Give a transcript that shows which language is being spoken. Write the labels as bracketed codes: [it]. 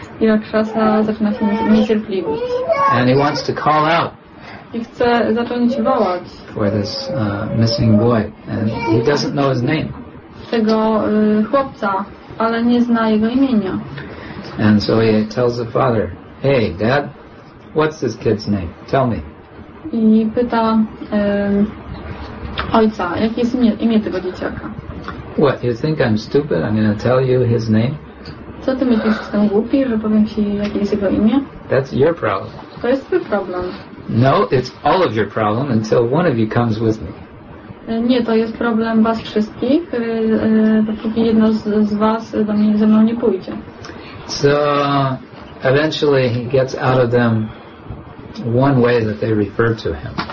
[pl] I Rakshasa zaczyna się niecierpliwić. [en] And he wants to call out. [pl] I chce zacząć wołać. [en] For this missing boy, and he doesn't know his name. [pl] Tego chłopca, ale nie zna jego imienia. [en] And so he tells the father, "Hey, Dad, what's this kid's name? Tell me." [pl] I pyta ojca, jakie jest imię tego dzieciaka. [en] What, you think I'm stupid? I'm going to tell you his name? [pl] Co ty myślisz, jestem głupi, że powiem ci, jakie jest jego imię? [en] That's your problem. [pl] To jest twój problem. [en] No, it's all of your problem until one of you comes with me. [pl] Nie, to jest problem was wszystkich, dopóki jedno z was do mnie ze mną nie pójdzie. [en] So, eventually he gets out of them one way that they refer to him.